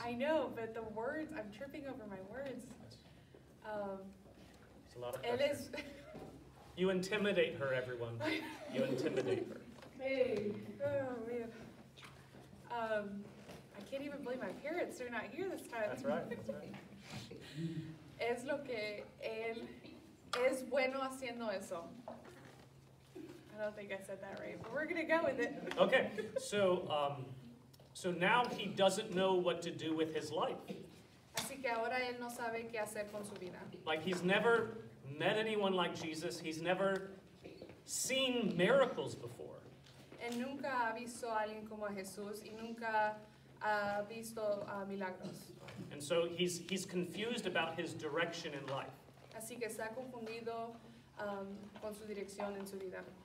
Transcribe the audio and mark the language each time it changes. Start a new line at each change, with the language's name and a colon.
English: I know, but the words, I'm tripping over my words. It's a lot of pressure. Is, you intimidate her, everyone. You intimidate her. Hey. Oh, man. I can't even believe my parents are not here this time. That's right.
Spanish: Es lo que él es bueno haciendo eso.
English: I don't think I said that right, but we're going to go with it. Okay, so now he doesn't know what to do with his life.
Spanish: Así que ahora él no sabe qué hacer con su vida.
English: Like, he's never met anyone like Jesus. He's never seen miracles before.
Spanish: Él nunca ha visto a alguien como a Jesús y nunca visto milagros.
English: And so he's confused about his direction in life.
Spanish: Así que está confundido con su dirección en su vida.